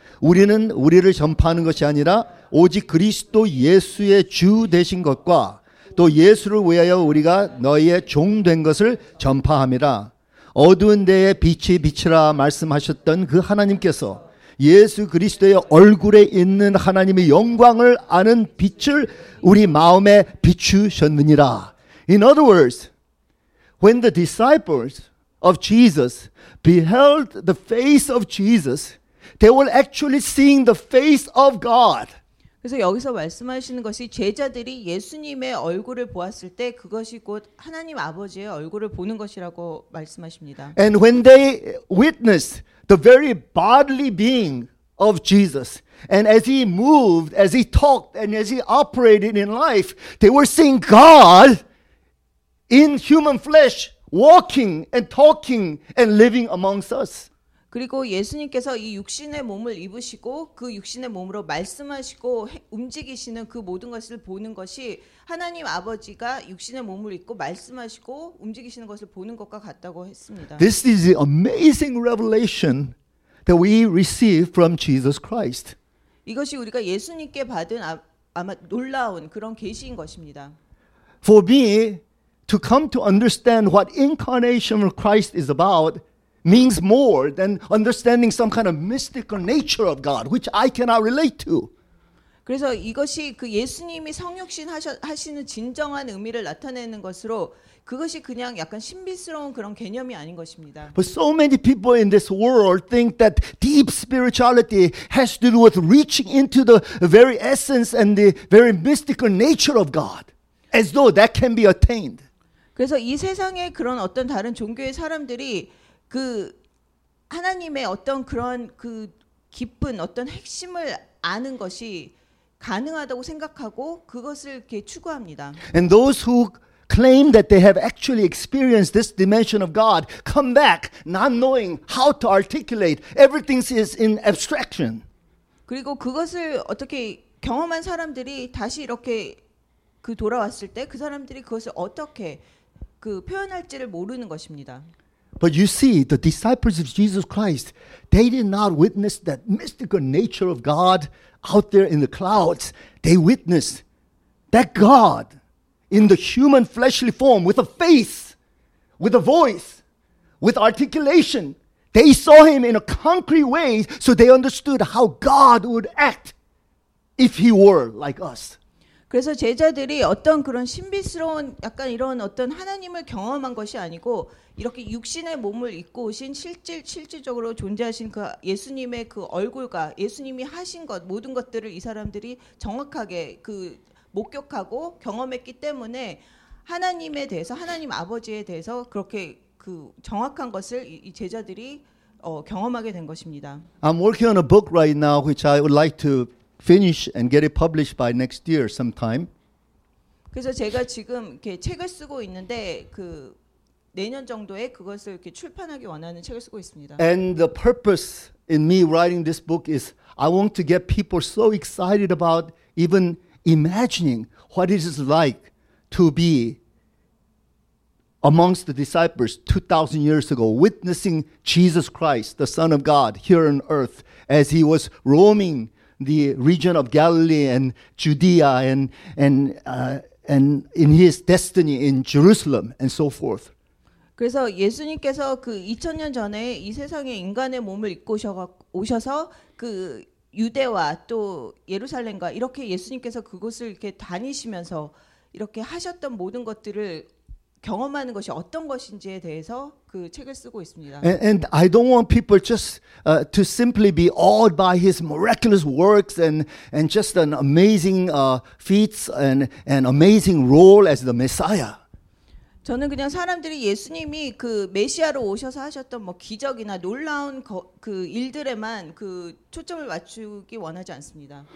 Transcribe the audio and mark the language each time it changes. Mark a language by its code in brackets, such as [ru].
[ko] 우리는 우리를 전파하는 것이 아니라 오직 그리스도 예수의 주 되신 것과 또 예수를 위하여 우리가 너희의 종된 것을 전파함이라. 어두운 데에 빛이 비치라 말씀하셨던 그 하나님께서 예수 그리스도의 얼굴에 있는 하나님의 영광을 아는 빛을 우리 마음에 비추셨느니라. [en] In other words, when the disciples of Jesus beheld the face of Jesus, they were actually seeing the face of God. [ko] 그래서 여기서 말씀하시는 것이 제자들이 예수님의 얼굴을 보았을 때 그것이 곧 하나님 아버지의 얼굴을 보는 것이라고 말씀하십니다. [en] And when they witnessed the very bodily being of Jesus, and as he moved, as he talked, and as he operated in life, they were seeing God in human flesh, walking and talking and living amongst us. [ko] 그리고 예수님께서 이 육신의 몸을 입으시고 그 육신의 몸으로 말씀하시고 움직이시는 그 모든 것을 보는 것이 하나님 아버지가 육신의 몸을 입고 말씀하시고 움직이시는 것을 보는 것과 같다고 했습니다. [en] This is the amazing revelation that we receive from Jesus Christ. [ko] 이것이 우리가 예수님께 받은 아마 놀라운 그런 계시인 것입니다. [en] For me to come to understand what incarnation of Christ is about means more than understanding some kind of mystical nature of God, which I cannot relate to. [ko] 그래서 이것이 그 예수님이 성육신 하시는 진정한 의미를 나타내는 것으로 그것이 그냥 약간 신비스러운 그런 개념이 아닌 것입니다. [en] But so many people in this world think that deep spirituality has to do with reaching into the very essence and the very mystical nature of God, as though that can be attained. [ko] 그래서 이 세상에 그런 어떤 다른 종교의 사람들이 그 하나님의 어떤 그런 그 깊은 어떤 핵심을 아는 것이 가능하다고 생각하고 그것을 이렇게 추구합니다. [en] And those who claim that they have actually experienced this dimension of God come back not knowing how to articulate. Everything is in abstraction. [ko] 그리고 그것을 어떻게 경험한 사람들이 다시 이렇게 그 돌아왔을 때 그 사람들이 그것을 어떻게 그 표현할지를 모르는 것입니다. [en] But you see, the disciples of Jesus Christ, they did not witness that mystical nature of God out there in the clouds. They witnessed that God in the human fleshly form with a face, with a voice, with articulation. They saw him in a concrete way, so they understood how God would act if he were like us. [ko] 그래서 제자들이 어떤 그런 신비스러운 약간 이런 어떤 하나님을 경험한 것이 아니고 이렇게 육신의 몸을 입고 오신 실질적으로 존재하신 그 예수님의 그 얼굴과 예수님이 하신 것 모든 것들을 이 사람들이 정확하게 그 목격하고 경험했기 때문에 하나님에 대해서 하나님 아버지에 대해서 그렇게 그 정확한 것을 이 제자들이 경험하게 된 것입니다. [en] I'm working on a book right now which I would like to finish and get it published by next year sometime. [ko] 그래서 제가 지금 이렇게 책을 쓰고 있는데 그 내년 정도에 그것을 이렇게 출판하기 원하는 책을 쓰고 있습니다. [en] And the purpose in me writing this book is I want to get people so excited about even imagining what it is like to be amongst the disciples 2000 years ago witnessing Jesus Christ the Son of God here on earth as he was roaming the region of Galilee and Judea and in his destiny in Jerusalem and so forth. [ko] 그래서 예수님께서 그 2000년 전에 이 세상에 인간의 몸을 입고 오셔서 그 유대와 또 예루살렘과 이렇게 예수님께서 그곳을 이렇게 다니시면서 이렇게 하셨던 모든 것들을 경험하는 것이 어떤 것인지에 대해서 그 책을 쓰고 있습니다. [en] And I don't want people just to simply be awed by his miraculous works and just an amazing feats and amazing role as the Messiah. [ko] 저는 그냥 사람들이 예수님이 그 메시아로 오셔서 하셨던 뭐 기적이나 놀라운 그 일들에만 그 초점을 맞추기 원하지 않습니다.